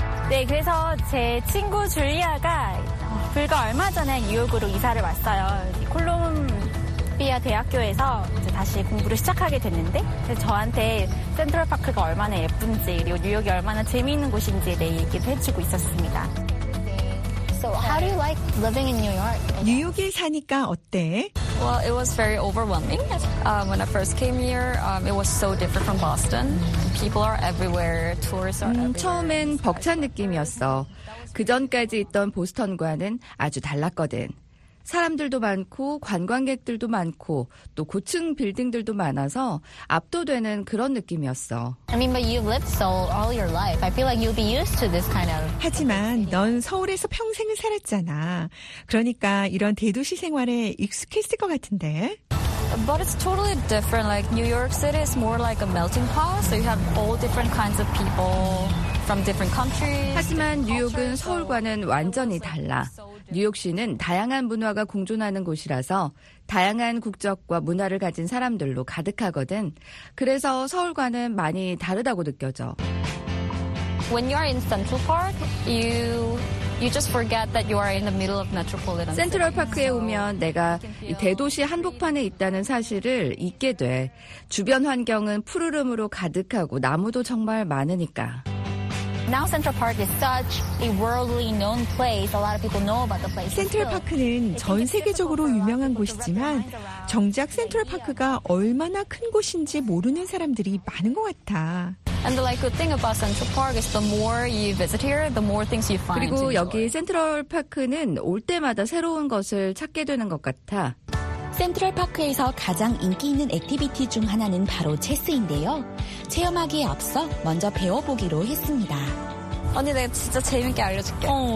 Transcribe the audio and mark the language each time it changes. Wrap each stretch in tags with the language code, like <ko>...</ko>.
<ko>네, 그래서 제 친구 줄리아가 불과 얼마 전에 뉴욕으로 이사를 왔어요. 콜롬비아 대학교에서 이제 다시 공부를 시작하게 됐는데 저한테 센트럴파크가 얼마나 예쁜지 그리고 뉴욕이 얼마나 재미있는 곳인지 내 얘기를 해주고 있었습니다.</ko> <en>So how do you like living in New York?</en> <ko>뉴욕에 사니까 어때?</ko> <en>Well, it was very overwhelming. When I first came here, it was so different from Boston. People are everywhere. Tourists are everywhere.</en> <ko>처음엔 벅찬 느낌이었어. 그전까지 있던 보스턴과는 아주 달랐거든. 사람들도 많고 관광객들도 많고 또 고층 빌딩들도 많아서 압도되는 그런 느낌이었어.</ko> <en>I mean, but you've lived Seoul all your life. I feel like you'll be used to this kind of.</en> <ko>하지만 넌 서울에서 평생을 살았잖아. 그러니까 이런 대도시 생활에 익숙했을 것 같은데.</ko> <en>But it's totally different. Like New York City is more like a melting pot. So you have all different kinds of people from different countries.</en> <ko>하지만 뉴욕은 서울과는 완전히 달라. 뉴욕시는 다양한 문화가 공존하는 곳이라서 다양한 국적과 문화를 가진 사람들로 가득하거든. 그래서 서울과는 많이 다르다고 느껴져.</ko> <en>When you are in Central Park, you just forget that you are in the middle of metropolitan.</en> <ko>센트럴 파크에 오면 내가 이 대도시 한복판에 있다는 사실을 잊게 돼. 주변 환경은 푸르름으로 가득하고 나무도 정말 많으니까.</ko> <en>Now Central Park is such a worldly known place. A lot of people know about the place.</en> <ko>센트럴 파크는 전 세계적으로 유명한 곳이지만 정작 센트럴 파크가 얼마나 큰 곳인지 모르는 사람들이 많은 것 같아.</ko> <en>And the like good thing about Central Park is the more you visit here, the more things you find.</en> <ko>그리고 여기 센트럴 파크는 올 때마다 새로운 것을 찾게 되는 것 같아. 센트럴 파크에서 가장 인기 있는 액티비티 중 하나는 바로 체스인데요. 체험하기에 앞서 먼저 배워보기로 했습니다. 언니, 내가 진짜 재밌게 알려줄게.</ko>